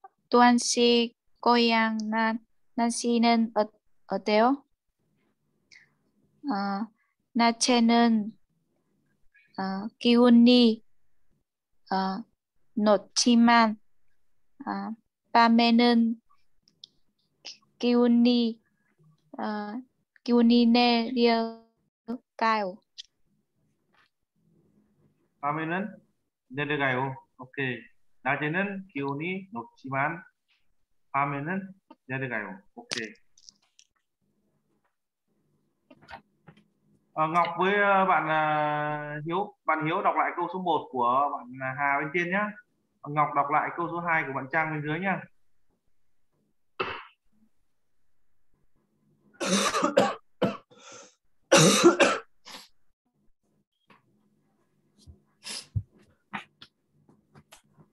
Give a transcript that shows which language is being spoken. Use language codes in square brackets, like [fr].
[ko] Tuan si Goyang Nancy는 어때요? 낮에는 기온이 높지만 밤에는 기온이 내려가요. 다음에는 내려가요. 오케이. 낮에는 기온이 높지만 밤에는 내려가요. 오케이. [vi] À, Ngọc với bạn Hiếu đọc lại câu số 1 của bạn Hà bên trên nhé. Ngọc đọc lại câu số 2 của bạn Trang bên dưới nhé.